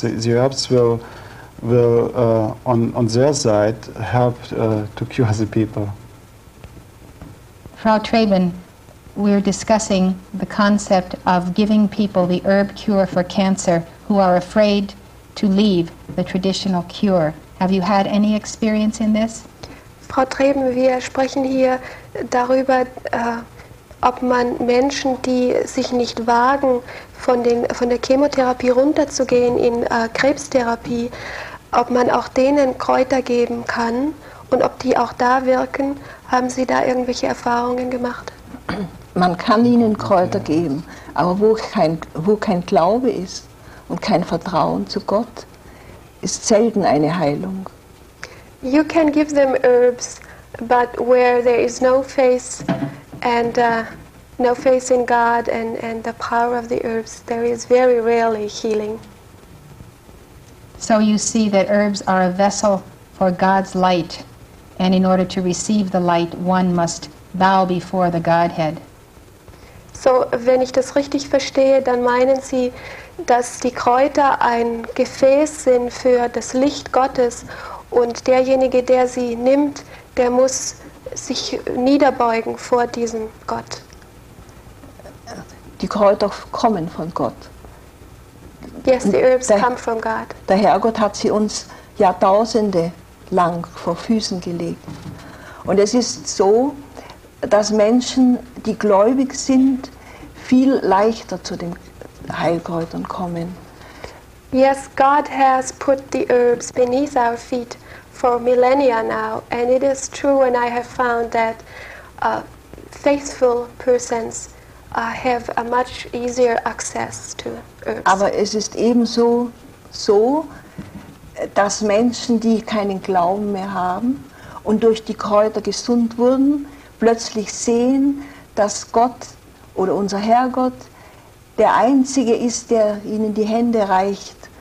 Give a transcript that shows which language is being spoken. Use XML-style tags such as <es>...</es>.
<en>The herbs will on their side, help to cure the people. Frau Treben, we're discussing the concept of giving people the herb cure for cancer who are afraid to leave the traditional cure. Have you had any experience in this?</en> <de>Frau Treben, wir sprechen hier darüber, ob man Menschen, die sich nicht wagen, von der Chemotherapie runterzugehen in Krebstherapie, ob man auch denen Kräuter geben kann und ob die auch da wirken. Haben Sie da irgendwelche Erfahrungen gemacht? Man kann ihnen Kräuter geben, aber wo kein Glaube ist und kein Vertrauen zu Gott, ist selten eine Heilung.</de> <en>You can give them herbs, but where there is no faith and no faith in God and the power of the herbs, there is very rarely healing. So you see that herbs are a vessel for God's light, and in order to receive the light, one must bow before the Godhead.</en> <de>So, wenn ich das richtig verstehe, dann meinen Sie, dass die Kräuter ein Gefäß sind für das Licht Gottes, und derjenige, der sie nimmt, der muss sich niederbeugen vor diesem Gott. Die Kräuter kommen von Gott.</de> <en>Yes, the herbs come from God.</en> <de>Der Herrgott hat sie uns Jahrtausende lang vor Füßen gelegt. Und es ist so, dass Menschen, die gläubig sind, viel leichter zu den Heilkräutern kommen.</de> <en>Yes, God has put the herbs beneath our feet for millennia now, and it is true, and I have found that faithful persons have a much easier access to herbs.</en> <de>Aber es ist ebenso so, dass Menschen, die keinen Glauben mehr haben und durch die Kräuter gesund wurden, plötzlich sehen, dass Gott oder unser Herrgott der Einzige ist, der ihnen die Hände reicht.</de>